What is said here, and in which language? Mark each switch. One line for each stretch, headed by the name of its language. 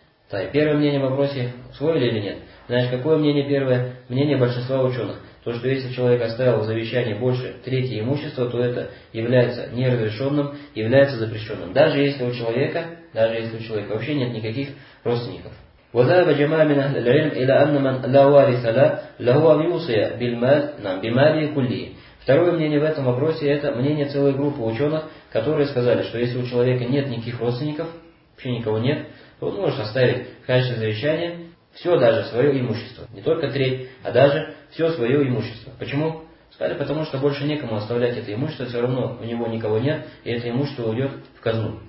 Russian: Так, первое мнение в вопросе, усвоили или нет? Значит, какое мнение первое? Мнение большинства ученых. То, что если человек оставил в завещании больше трети имущества, то это является неразрешенным, является запрещенным. Даже если у человека вообще нет никаких родственников.
Arabic: وذهب جماعة من أهل العلم إلى أن من لا وارث له له أن يوصي بالمال نعم بماله كله.
Russian: Второе мнение в этом вопросе – это мнение целой группы ученых, которые сказали, что если у человека нет никаких родственников, вообще никого нет, то он может оставить в качестве завещания все даже свое имущество. Не только треть, а даже все свое имущество. Почему? Сказали, потому что больше некому оставлять это имущество, все равно у него никого нет, и это имущество уйдет в казну.